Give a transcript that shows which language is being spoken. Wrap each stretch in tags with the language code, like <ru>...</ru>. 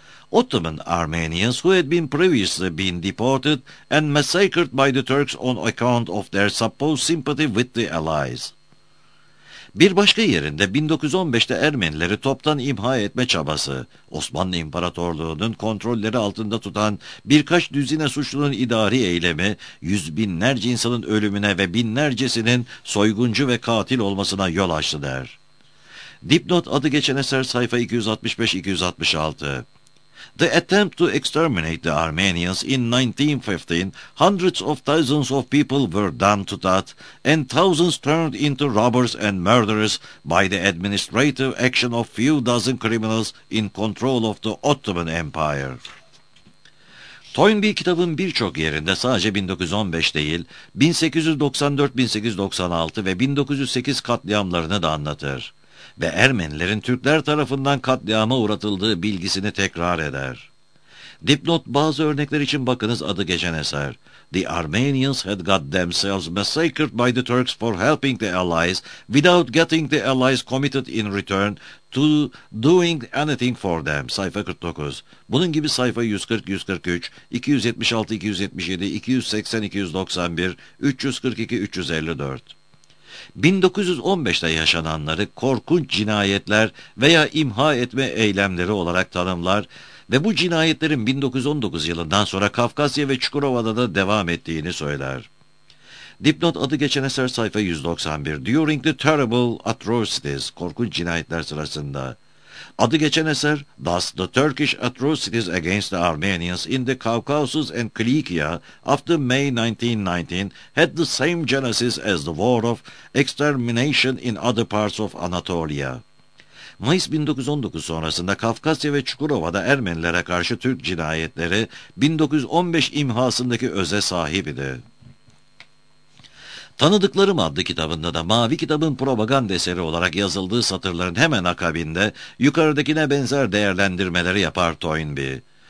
<en>Ottoman Armenians who had previously been deported and massacred by the Turks on account of their supposed sympathy with the Allies.</en> <tr>Bir başka yerinde 1915'te Ermenileri toptan imha etme çabası, Osmanlı İmparatorluğu'nun kontrolleri altında tutan birkaç düzine suçlunun idari eylemi, yüz binlerce insanın ölümüne ve binlercesinin soyguncu ve katil olmasına yol açtı der. Dipnot adı geçen eser sayfa 265-266.</tr> <en>The attempt to exterminate the Armenians in 1915, hundreds of thousands of people were done to that, and thousands turned into robbers and murderers by the administrative action of few dozen criminals in control of the Ottoman Empire.</en> <tr>Toynbee kitabın birçok yerinde sadece 1915 değil, 1894-1896 ve 1908 katliamlarını da anlatır. Ve Ermenilerin Türkler tarafından katliama uğratıldığı bilgisini tekrar eder. Dipnot bazı örnekler için bakınız adı geçen eser.</tr> <en>The Armenians had got themselves massacred by the Turks for helping the Allies without getting the Allies committed in return to doing anything for them.</en> <tr>Sayfa 49. Bunun gibi sayfa 140-143, 276-277, 280-291, 342-354. 1915'te yaşananları korkunç cinayetler veya imha etme eylemleri olarak tanımlar ve bu cinayetlerin 1919 yılından sonra Kafkasya ve Çukurova'da da devam ettiğini söyler. Dipnot adı geçen eser sayfa 191.</tr> <en>During the terrible atrocities,</en> <tr>korkunç cinayetler sırasında. Adı geçen eser,</tr> <en>Thus the Turkish atrocities against the Armenians in the Caucasus and Cilicia after May 1919 had the same genesis as the war of extermination in other parts of Anatolia.</en> <tr>Mayıs 1919 sonrasında Kafkasya ve Çukurova'da Ermenilere karşı Türk cinayetleri 1915 imhasındaki öze sahibiydi. Tanıdıklarım adlı kitabında da Mavi Kitabın propaganda eseri olarak yazıldığı satırların hemen akabinde yukarıdakine benzer değerlendirmeleri yapar Toynbee.</tr>